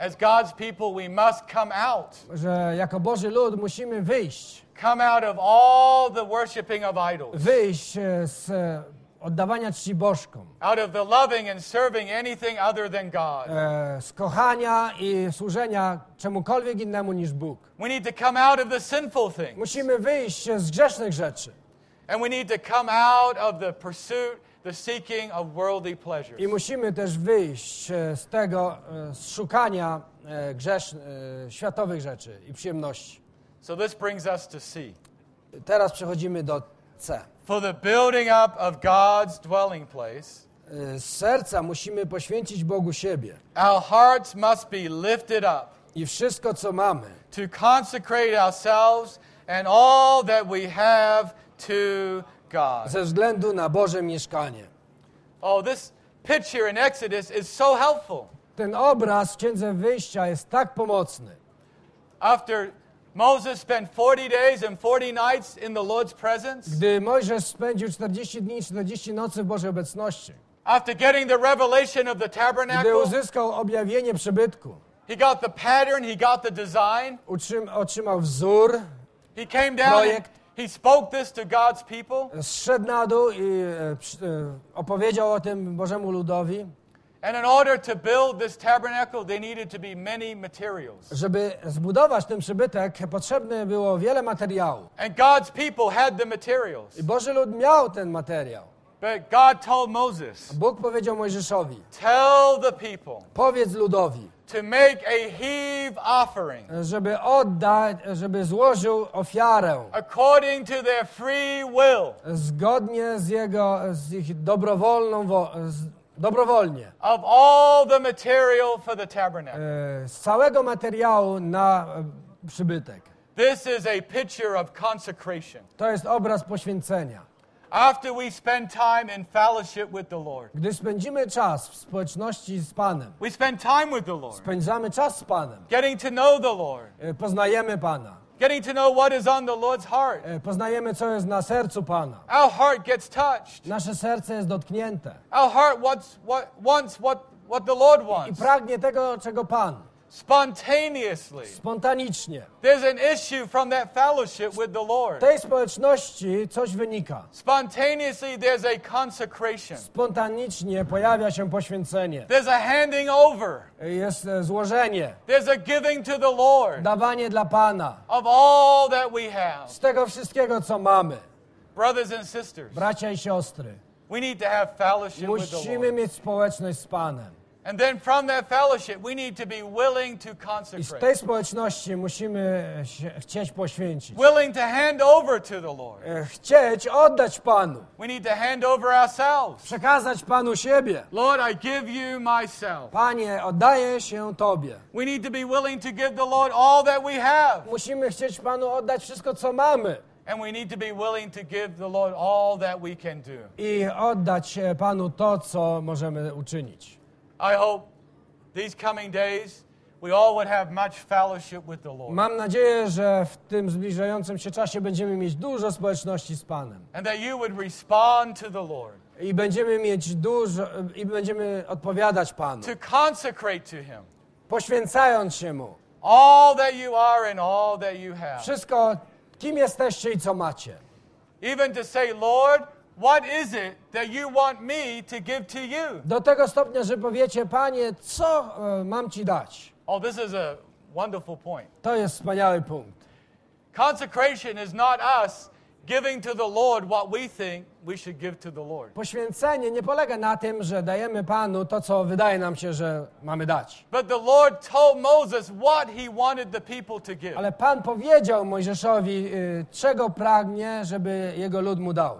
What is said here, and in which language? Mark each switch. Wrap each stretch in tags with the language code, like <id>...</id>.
<en>As God's people, we must come out.</en> <pl>Że jako Boży lud musimy wyjść.</pl> <en>Come out of all the worshiping of idols.</en> <pl>Wyjść z oddawania czci bożkom.</pl> <en>Out of the loving and serving anything other than God.</en> <pl>Z kochania i służenia czemukolwiek innemu niż Bóg.</pl> <en>We need to come out of the sinful things.</en> <pl>Musimy wyjść z grzesznych rzeczy.</pl> <en>And we need to come out of the pursuit, the seeking of worldly pleasures.</en> <pl>I musimy też wyjść z tego, z szukania światowych rzeczy i przyjemności.</pl> <en>So this brings us to C.</en> <pl>Teraz przechodzimy do C.</pl> <en>For the building up of God's dwelling place.</en> <pl>Z serca musimy poświęcić Bogu siebie.</pl> <en>Our hearts must be lifted up.</en> <pl>I wszystko, co mamy.</pl> <en>To consecrate ourselves and all that we have to God.</en> <pl>Ze względu na Boże mieszkanie.</pl> <en>Oh, this picture in Exodus is so helpful.</en> <pl>Ten obraz w Księdze Wyjścia jest tak pomocny.</pl> <en>After Moses spent 40 days and 40 nights in the Lord's presence.</en> <pl>Gdy Mojżesz spędził 40 dni i 40 nocy w Bożej obecności.</pl> <en>After getting the revelation of the tabernacle.</en> <pl>Gdy uzyskał objawienie przybytku.</pl> <en>He got the pattern, he got the design.</en> <pl>Otrzymał wzór.</pl> <en>He came down. Projekt. He spoke this to God's people.</en> <pl>Zszedł na dół i opowiedział o tym Bożemu ludowi.</pl> <en>And in order to build this tabernacle, they needed to be many materials.</en> <pl>Żeby zbudować ten przybytek, potrzebne było wiele materiału.</pl> <en>And God's people had the materials.</en> <pl>I Boży lud miał ten materiał.</pl> <en>But God told Moses.</en> <pl>Bóg powiedział Mojżeszowi.</pl> <en>Tell the people.</en> <pl>Powiedz ludowi.</pl> <en>To make a heave offering.</en> <pl>Żeby oddać, żeby złożył ofiarę.</pl> <en>According to their free will.</en> <pl>Zgodnie z jego, z ich dobrowolną dobrowolnie.</pl> <en>Of all the material for the tabernacle.</en> <pl>Z całego materiału na przybytek.</pl> <en>This is a picture of consecration.</en> <pl>To jest obraz poświęcenia.</pl> <en>After we spend time in fellowship with the Lord.</en> <pl>Gdy spędzimy czas w społeczności z Panem.</pl> <en>We spend time with the Lord.</en> <pl>Spędzamy czas z Panem.</pl> <en>Getting to know the Lord.</en> <pl>Poznajemy Pana.</pl> <en>Getting to know what is on the Lord's heart.</en> <pl>Poznajemy, co jest na sercu Pana.</pl> <en>Our heart gets touched.</en> <pl>Nasze serce jest dotknięte.</pl> <en>Our heart wants what the Lord wants.</en> <pl>I pragnie tego, czego Pan.</pl> <en>Spontaneously.</en> <pl>Spontanicznie.</pl> <en>There's an issue from that fellowship with the Lord.</en> <pl>Z tej społeczności coś wynika.</pl> <en>Spontaneously there's a consecration.</en> <pl>Spontanicznie pojawia się poświęcenie.</pl> <en>There's a handing over.</en> <pl>Jest złożenie.</pl> <en>There's a giving to the Lord.</en> <pl>Dawanie dla Pana.</pl> <en>Of all that we have.</en> <pl>Z tego wszystkiego, co mamy.</pl> <en>Brothers and sisters.</en> <pl>Bracia i siostry.</pl> <en>We need to have fellowship with the Lord.</en> <pl>Musimy mieć społeczność z Panem.</pl> <en>And then from that fellowship, we need to be willing to consecrate.</en> <pl>I z tej społeczności musimy chcieć poświęcić.</pl> <en>Willing to hand over to the Lord.</en> <pl>Chcieć oddać Panu.</pl> <en>We need to hand over ourselves.</en> <pl>Przekazać Panu siebie.</pl> <en>Lord, I give you myself.</en> <pl>Panie, oddaję się Tobie.</pl> <en>We need to be willing to give the Lord all that we have.</en> <pl>Musimy chcieć Panu oddać wszystko, co mamy.</pl> <en>And we need to be willing to give the Lord all that we can do.</en> <pl>I oddać Panu to, co możemy uczynić.</pl> <en>I hope these coming days we all would have much fellowship with the Lord.</en> <pl>Mam nadzieję, że w tym zbliżającym się czasie będziemy mieć dużo społeczności z Panem.</pl> <en>And that you would respond to the Lord.</en> <pl>I będziemy mieć dużo i będziemy odpowiadać Panu.</pl> <en>To consecrate to him.</en> <pl>Poświęcając się mu.</pl> <en>All that you are and all that you have.</en> <pl>Wszystko, kim jesteście i co macie.</pl> <en>Even to say, Lord, what is it that you want me to give to you?</en> <pl>Do tego stopnia, że powiecie, Panie, co mam ci dać?</pl> <en>Oh, this is a wonderful point.</en> <pl>To jest wspaniały punkt.</pl> <en>Consecration is not us giving to the Lord what we think we should give to the Lord.</en> <pl>Poświęcenie nie polega na tym, że dajemy Panu to, co wydaje nam się, że mamy dać.</pl> <en>But the Lord told Moses what he wanted the people to give.</en> <pl>Ale Pan powiedział Mojżeszowi, czego pragnie, żeby jego lud mu dał.</pl>